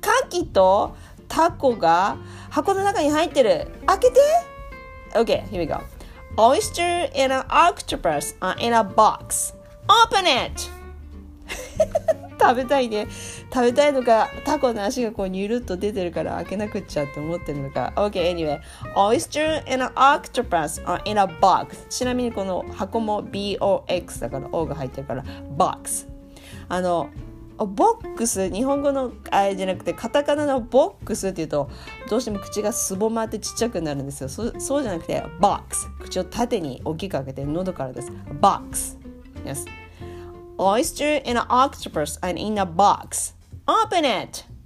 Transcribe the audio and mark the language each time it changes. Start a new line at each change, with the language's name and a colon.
Japanese: 牡蠣とタコが箱の中に入ってる。開けて。
English: OK, here we go. Oyster and Octopus in a box. Open it!
Japanese: 食べたいね。食べたいのか、タコの足がこうニュルッと出てるから開けなくっちゃって思ってるのか。
English: OK, anyway, Oyster and Octopus are in a box.
Japanese: ちなみにこの箱も BOX だから、 O が入ってるから BOX。あのボックス、日本語のあれじゃなくてカタカナのボックスっていうと、どうしても口がすぼまってちっちゃくなるんですよ。そうじゃなくて BOX、 口を縦に大きく開けて喉からです。
English: BOX、 YesOyster and octopus are in a box. Open it!